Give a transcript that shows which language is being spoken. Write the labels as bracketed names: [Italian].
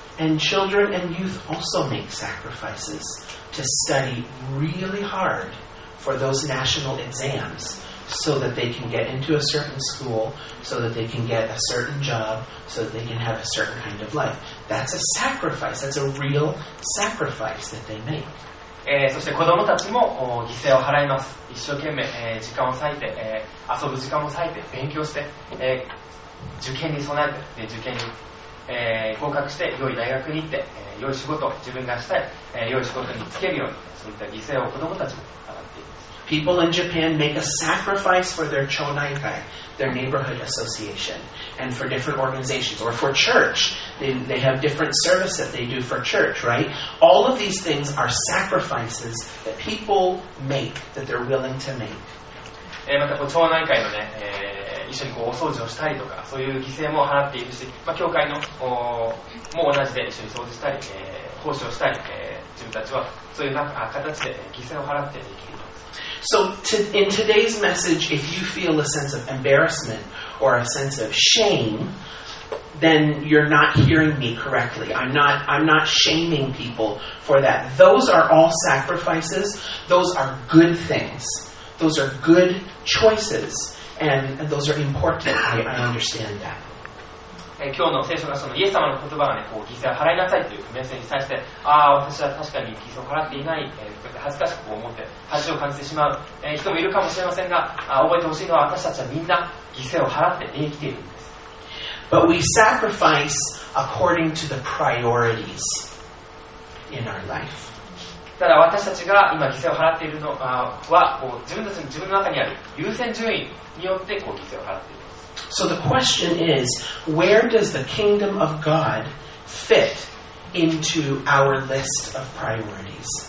[English] And children and youth also make sacrifices to study really hard for those national exams so that they can get into a certain school, so that they can get a certain job, so that they can have a certain kind of life. That's a sacrifice. That's a real sacrifice that they make. [Japanese] そして子どもたちも犠牲を払います。一生懸命、時間を割いて、遊ぶ時間も割いて、勉強して、受験に備えて、で受験に、合格して、良い大学に行って、良い仕事を自分がしたい、良い仕事につけるように、そういった犠牲を子どもたちも。 [English] People in Japan make a sacrifice for their chōnaikai, their neighborhood association, and for different organizations, or for church. They have different service that they do for church, right? All of these things are sacrifices that people make, that they're willing to make. [Japanese] また、町内会のね、一緒にこうお掃除をしたりとか、そういう犠牲も払っているし、まあ、教会のも同じで一緒に掃除したり、奉仕をしたり、自分たちはそういうなんか形で犠牲を払っていく。 [English] So in today's message, if you feel a sense of embarrassment or a sense of shame, then you're not hearing me correctly. I'm not shaming people for that. Those are all sacrifices. Those are good things. Those are good choices. And those are important. I understand that. [Japanese] 今日の聖書がそのイエス様の言葉が、ね、こう犠牲を払いなさいというメッセージに対して、ああ私は確かに犠牲を払っていない、恥ずかしく思って恥を感じてしまう、人もいるかもしれませんが、覚えてほしいのは私たちはみんな犠牲を払って生きているんです。 [English] But we sacrifice according to the priorities in our life. [Japanese] ただ私たちが今犠牲を払っているのはこう自分の中にある優先順位によってこう犠牲を払っている。 [English] So the question is, where does the kingdom of God fit into our list of priorities?